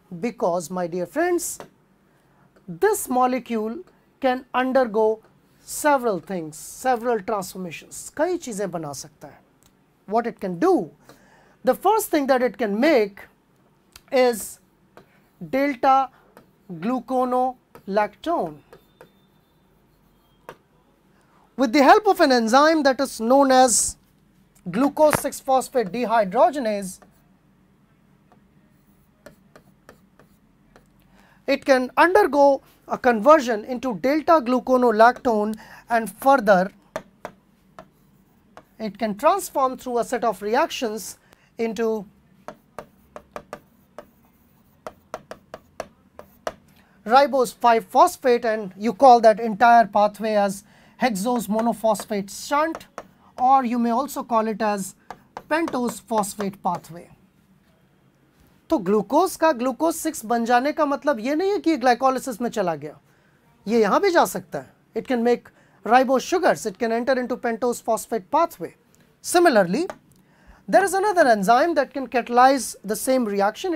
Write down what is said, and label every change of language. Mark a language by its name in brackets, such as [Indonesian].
[English] Because my dear friends, this molecule can undergo several things, several transformations. [Hindi] कई चीजें बना सकता है. [English] What it can do, the first thing that it can make is delta gluconolactone. with the help of an enzyme that is known as glucose 6-phosphate dehydrogenase, it can undergo a conversion into delta gluconolactone, and further it can transform through a set of reactions into ribose 5-phosphate, and you call that entire pathway as hexose monophosphate shunt, or you may also call it as pentose phosphate pathway. [Hindi] तो glucose का glucose 6 बन जाने का मतलब ये नहीं है कि ग्लाइकोलाइसिस में चला गया, ये यहां भी जा सकता है. [English] It can make ribo sugars, it can enter into pentose phosphate pathway. Similarly there is another enzyme that can catalyse the same reaction.